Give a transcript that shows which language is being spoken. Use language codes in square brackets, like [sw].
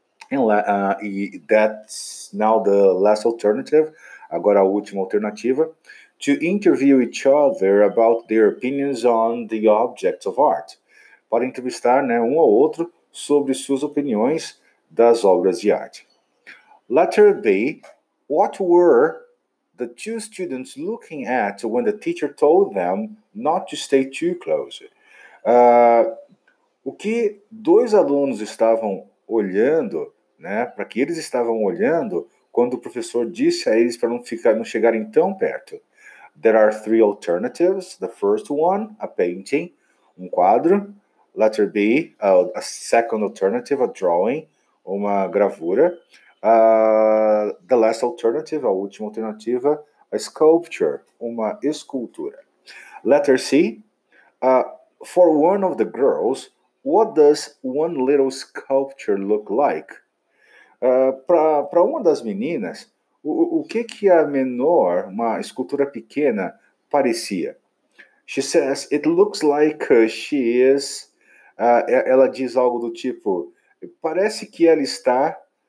[en] And that's now the last alternative, [pt] agora a última alternativa, [en] to interview each other about their opinions on the objects of art, [pt] para entrevistar, né, um ao outro sobre suas opiniões das obras de arte. [en] Letter B, what were the 2 students looking at when the teacher told them not to stay too close? [pt] O que 2 alunos estavam olhando, né, para que eles estavam olhando quando o professor disse a eles para não chegarem tão perto? [en] There are 3 alternatives. The first one, a painting, [pt] um quadro. [en] Letter B, a second alternative, a drawing, [pt] uma gravura. [en] The last alternative, [pt] a última alternativa, [en] a sculpture, [pt] uma escultura. [en] Letter C, for one of the girls, what does one little sculpture look like? [pt] Para uma das meninas, o que que a menor, uma escultura pequena, parecia? [en] She says, it looks like she is... [pt] ela diz algo do tipo, parece que ela está...